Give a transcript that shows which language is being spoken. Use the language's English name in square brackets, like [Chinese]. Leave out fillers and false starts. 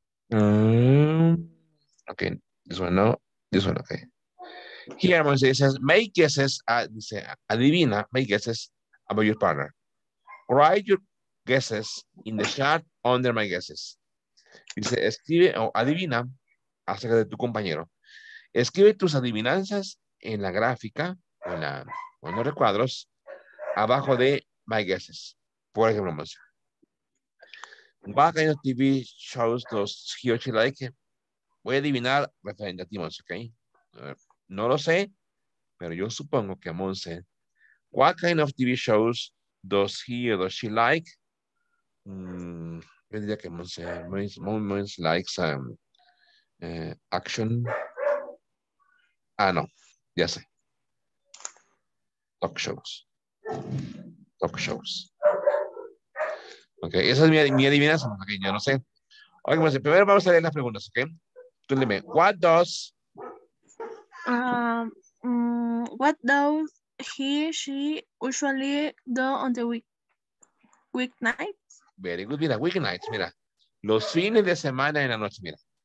[English] Okay. This one, no. This one, okay. Here, Monse, it says, make guesses, [Spanish] dice, adivina, [English] make guesses about your partner. Write your guesses in the chat under my guesses. [Spanish] Dice, escribe o adivina acerca de tu compañero. Escribe tus adivinanzas en la gráfica o en, los recuadros abajo de [English] my guesses. [Spanish] Por ejemplo, Monse. [English] What kind of TV shows does he or she like? [Spanish] Voy a adivinar referente a ti, Monse, ¿ok? No lo sé, pero yo supongo que a Monse. [English] What kind of TV shows does he or does she like? [Spanish] Yo diría que Monse Moments [English] likes action. [Spanish] Ah, no, ya sé. [English] Talk shows. [Spanish] Ok, esa es mi adivinación, porque yo no sé. Oye, Monse, primero vamos a leer las preguntas, ¿ok? Tú dime, [English] what does. What does he, she usually do on the weeknights? Very good, mira, weeknights, mira. [Spanish] Los fines de semana en la noche, mira.